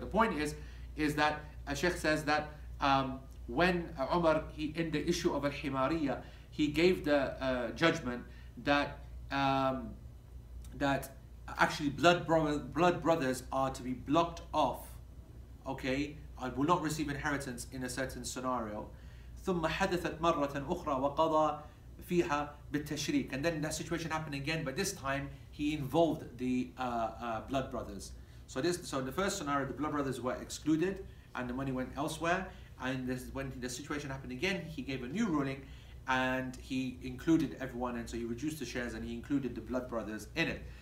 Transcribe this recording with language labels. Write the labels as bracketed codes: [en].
[en] But the point is that a sheikh says that when Umar, he in the issue of al-Himariya, he gave the judgment that that actually blood brothers are to be blocked off, okay, and will not receive inheritance in a certain scenario. [ar] ثم حدثت مرة أخرى وقضى فيها بالتشريك. [en] And then that situation happened again, but this time he involved the blood brothers. So in the first scenario, the blood brothers were excluded and the money went elsewhere. And this is when the situation happened again, he gave a new ruling and he included everyone, and so he reduced the shares and he included the blood brothers in it.